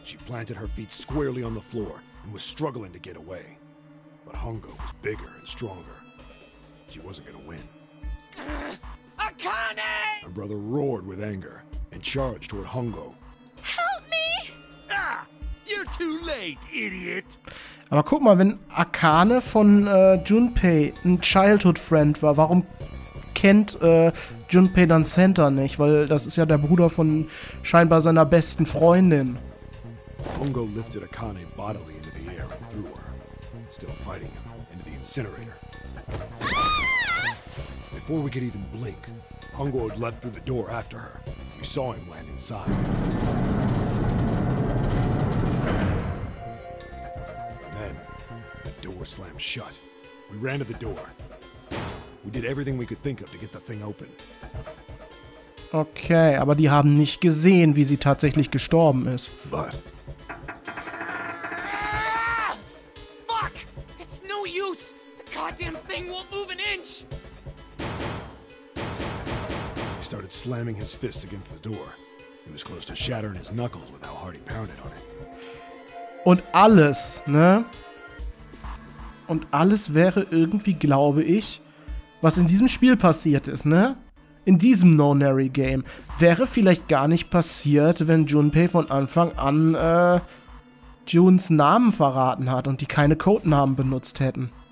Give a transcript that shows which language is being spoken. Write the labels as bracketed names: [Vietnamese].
[English] She planted her feet squarely on the floor and was struggling to get away. But Hongo was bigger and stronger. She wasn't gonna win. Akane! My brother roared with anger and charged toward Hongo. Help me! Ah! You're too late, idiot! [German] Aber guck mal, wenn Akane von Junpei ein [English] Childhood Friend [German] war, warum kennt Junpei dann Center nicht? Weil das ist ja der Bruder von scheinbar seiner besten Freundin. [English] Hongo lifted Akane bodily into the air and threw her, still fighting him, into the incinerator. Before we could even blink, Hongo had leapt through the door after her. We saw him land inside. And then, the door slammed shut. We ran to the door. We did everything we could think of to get the thing open. [German] Okay, aber die haben nicht gesehen, wie sie tatsächlich gestorben ist. [English] But... Fuck! It's no use! The goddamn thing won't move an inch! Started slamming his fists against the door. He was close to shattering his knuckles with how hard he pounded on it. [German] Und alles, ne? Und alles wäre irgendwie, glaube ich, was in diesem Spiel passiert ist, ne? In diesem No-Nary Game wäre vielleicht gar nicht passiert, wenn Junpei von Anfang an Junes Namen verraten hat und die keine Codenamen benutzt hätten.